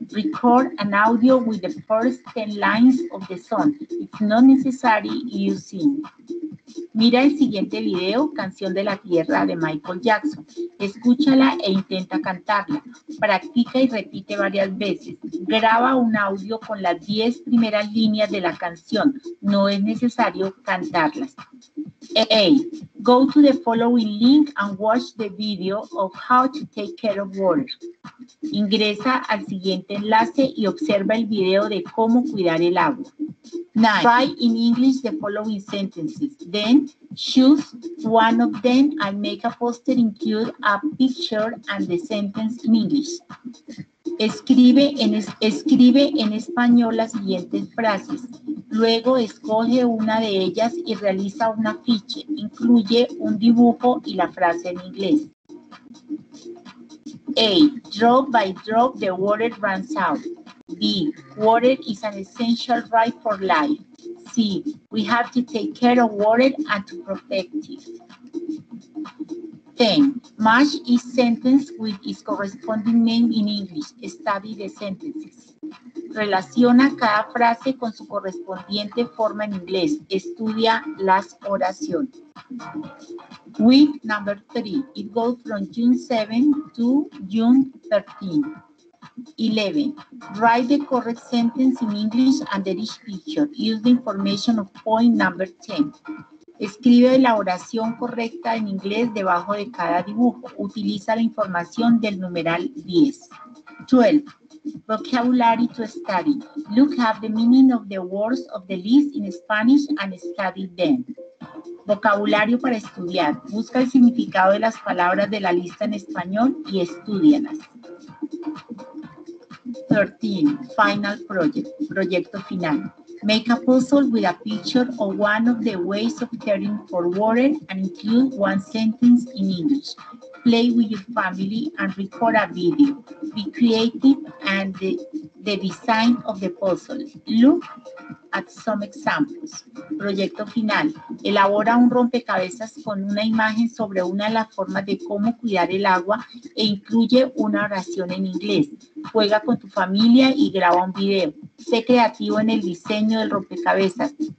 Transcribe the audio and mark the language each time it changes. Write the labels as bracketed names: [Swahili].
[English] Record an audio with the first 10 lines of the song. It's not necessary you sing. [Spanish] Mira el siguiente video, Canción de la Tierra de Michael Jackson. Escúchala e intenta cantarla. Practica y repite varias veces. Graba un audio con las 10 primeras líneas de la canción. No es necesario cantarlas. 8. [English] Go to the following link and watch the video of how to take care of water. [Spanish] Ingresa al siguiente enlace y observa el video de cómo cuidar el agua. [English] 9. Try in English the following sentences. Then choose one of them and make a poster, include a picture and the sentence in English. [Spanish] Escribe en español las siguientes frases. Luego escoge una de ellas y realiza un afiche. Incluye un dibujo y la frase en inglés. [English] 8. Drop by drop, the water runs out. B. Water is an essential right for life. C. We have to take care of water and to protect it. 10. Match each sentence with its corresponding name in English. Study the sentences. [Spanish] Relaciona cada frase con su correspondiente forma en inglés. Estudia las oraciones. [English] Week number 3. It goes from June 7 to June 13. 11. Write the correct sentence in English under each picture. Use the information of point number 10. [Spanish] Escribe la oración correcta en inglés debajo de cada dibujo. Utiliza la información del numeral 10. 12. [English] Vocabulary to study. Look up the meaning of the words of the list in Spanish and study them. [Spanish] Vocabulario para estudiar. Busca el significado de las palabras de la lista en español y estúdialas. [English] 13. Final project. [Spanish] Proyecto final. [English] Make a puzzle with a picture of one of the ways of caring for water and include one sentence in English. Play with your family and record a video. Be creative and the design of the puzzle. Look at some examples. [Spanish] Proyecto final. Elabora un rompecabezas con una imagen sobre una de las formas de cómo cuidar el agua e incluye una oración en inglés. Juega con tu familia y graba un video. Sé creativo en el diseño del rompecabezas.